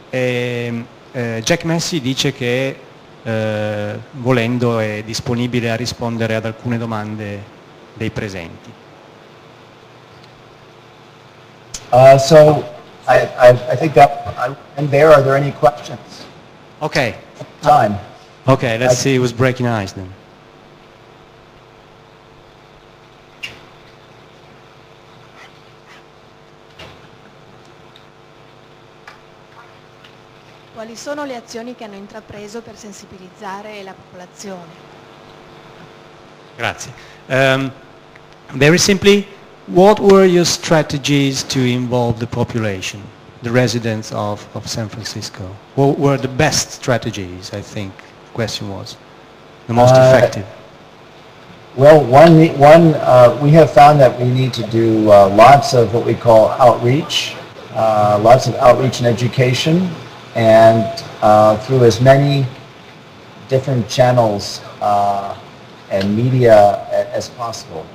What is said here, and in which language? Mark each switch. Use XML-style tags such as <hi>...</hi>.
<it>E, Jack Massey dice che volendo è disponibile a rispondere ad alcune domande dei presenti.</it> <en>I think that, and there, are there any questions? Okay. Time. Okay, let's see who's breaking ice then.</en> <it>Quali sono le azioni che hanno intrapreso per sensibilizzare la popolazione? Grazie.</it> <en>Very simply, what were your strategies to involve the population, the residents of San Francisco? What were the best strategies, I think, the question was, the most effective? Well, we have found that we need to do lots of what we call outreach, lots of outreach and education, and through as many different channels and media as possible.</en>